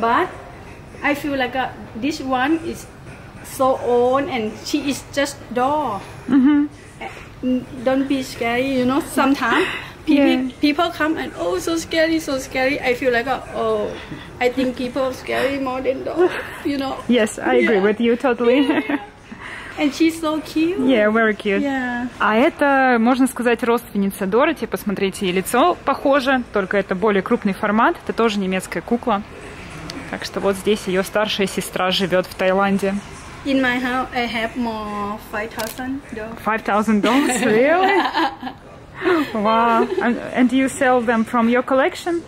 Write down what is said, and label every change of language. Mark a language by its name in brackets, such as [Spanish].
[English] But I feel like this one is so old and she is just doll. Mm-hmm. Don't be scary, you know, sometimes people come and, oh, so scary. I feel like, oh, I think people are scary more than dogs, you know. Yes, I agree with you totally. And she's so cute. Yeah, very cute. Yeah. [Russian] А это, можно сказать, родственница Дороти. Посмотрите, ей лицо похоже, только это более крупный формат. Это тоже немецкая кукла. Так что вот здесь ее старшая сестра живет в Таиланде. [English] In my house, I have more 5,000 dolls. 5,000 dolls? Really? Wow. And you sell them from your collection?